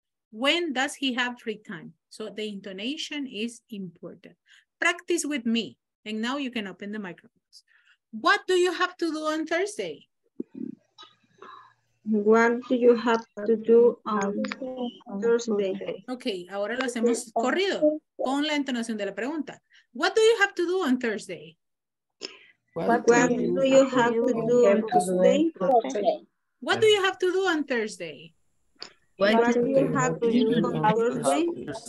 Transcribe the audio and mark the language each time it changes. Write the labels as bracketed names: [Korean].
[English] When does he have free time? So the intonation is important. Practice with me. And now you can open the microphones. What do you have to do on Thursday? What do you have to do on Thursday? [Spanish] Okay, ahora lo hacemos corrido con la entonación de la pregunta. [English] What do you have to do on Thursday? What do you have to do on Thursday? What do you have to do on Thursday? What do you have to do on Thursday?